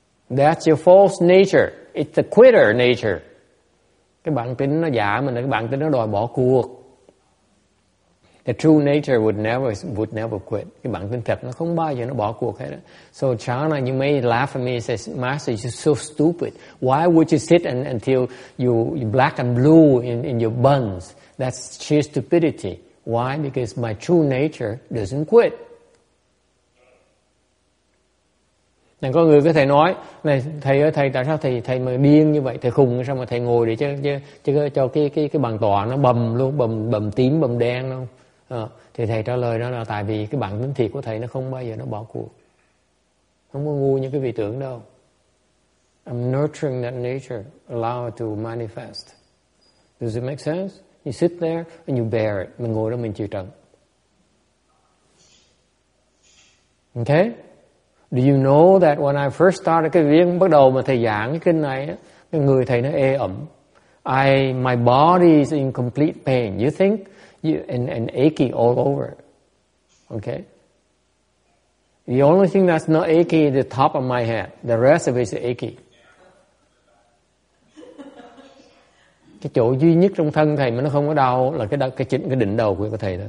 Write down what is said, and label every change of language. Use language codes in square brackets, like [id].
[en] That's your false nature. It's the quitter nature. [vi] Cái bản tính nó giả mình, cái bản tính nó đòi bỏ cuộc. [en] The true nature would never quit. [vi] Cái bản tính thật nó không bao giờ nó bỏ cuộc hết. [en] So China, you may laugh at me and say, Master, you're so stupid. Why would you sit until you black and blue in your buns? That's sheer stupidity. Why? Because my true nature doesn't quit. [vi] Nên có người có thể nói, này thầy ơi thầy tại sao thầy mà điên như vậy, thầy khùng sao mà thầy ngồi để cho cái bàn tọa nó bầm luôn, bầm tím, bầm đen luôn. Thì thầy trả lời đó là tại vì cái bản tính thiệt của thầy nó không bao giờ nó bỏ cuộc. Không có ngu như cái vị tưởng đâu. [en] I'm nurturing that nature, allow it to manifest. Does it make sense? You sit there and you bear it. [vi] Mình ngồi đó mình chịu trận. Okay? [en] Do you know that when I first started [vi] cái viên bắt đầu mà thầy giảng cái kinh này, cái người thầy nó ê ẩm. [en] My body is in complete pain. You think? And aching all over. Okay? The only thing that's not achy is the top of my head. The rest of it is achy. [vi] Cái chỗ duy nhất trong thân thầy mà nó không có đau là cái đỉnh đầu của thầy đó.